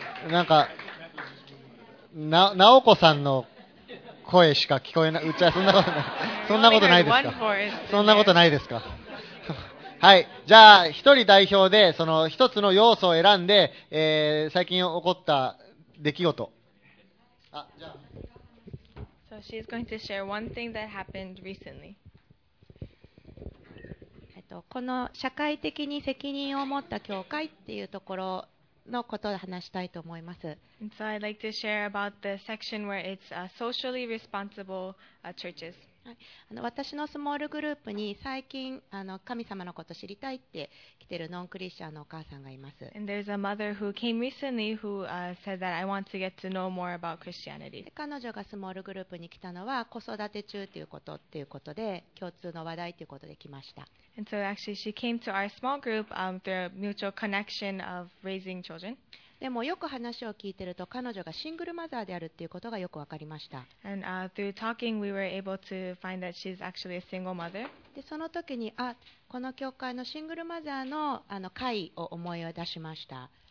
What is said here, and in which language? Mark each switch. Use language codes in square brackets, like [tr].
[ja] なんか、なおこさんの声しか聞こえない。うちはそんなことない。そんなことないですか。そんなことないですか。はい。じゃあ、一人代表で、その一つの要素を選んで、最近起こった出来事。あ、じゃあ。 [en] So she's going to share one thing that happened recently. [ja] この社会的に責任を持った教会っていうところのことを話したいと思います。 [en] So I'd like to share about the section where it's socially responsible churches. [ja] 私のスモールグループに最近神様のことを知りたいって来てるノンクリスチャンのお母さんがいます。 [en] And there's a mother who came recently who said that I want to get to know more about Christianity. [ja] 彼女がスモールグループに来たのは子育て中ということっていうことで共通の話題ということで来ました。 [en] And so actually she came to our small group through a mutual connection of raising children. [ja] でもよく話を聞いていると彼女がシングルマザーであるっていうことがよく分かりました。でその時にあこの教会のシングルマザー の, 会を思い出しました。